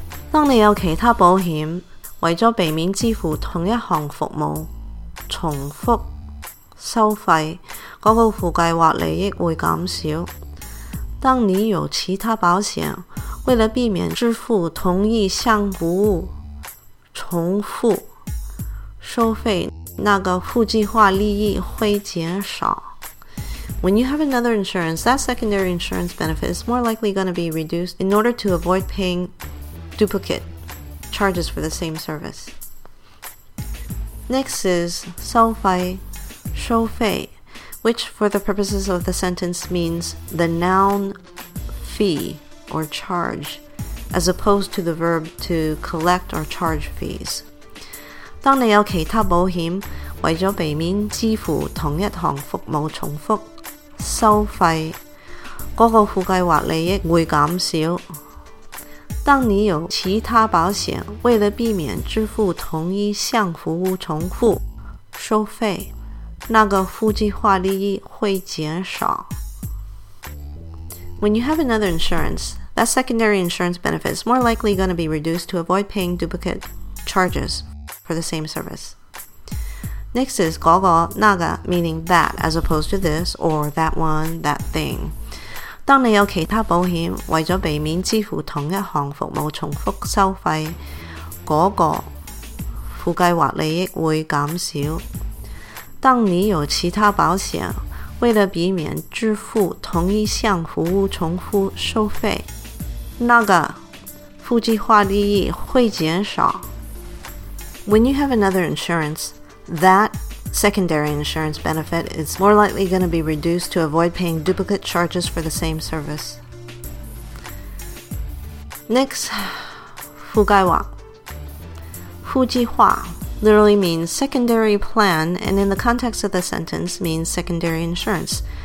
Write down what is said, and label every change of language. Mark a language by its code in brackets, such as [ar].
[zh] 当你有其他保险，为了避免支付同一项服务重复收费，那个附计划利益会减少。当你有其他保险，为了避免支付同一项服务重复收费，那个附计划利益会减少。 [en] When you have another insurance, that secondary insurance benefit is more likely going to be reduced in order to avoid paying duplicate charges for the same service. Next is [zh] 收费，收费 [en] which for the purposes of the sentence means the noun fee or charge. As opposed to the verb to collect or charge fees. [zh] 当你有其他保险，为了避免支付同一项服务重复收费，那个附计划利益会减少。当你有其他保险，为了避免支付同一项服务重复收费，那个附计划利益会减少。 [en] When you have another insurance,That secondary insurance benefit is more likely going to be reduced to avoid paying duplicate charges for the same service. Next is 那个, meaning that, as opposed to this, or that one, that thing. [zh] 当你有其他保险，为了避免支付同一项服务重复收费，那个附计划利益会减少。当你有其他保险，为了避免支付同一项服务重复收费，那个附计划利益会减少。 [en] When you have another insurance, that secondary insurance benefit is more likely going to be reduced to avoid paying duplicate charges for the same service. Next, 附计划。附计划 literally means secondary plan, and in the context of the sentence means secondary insurance.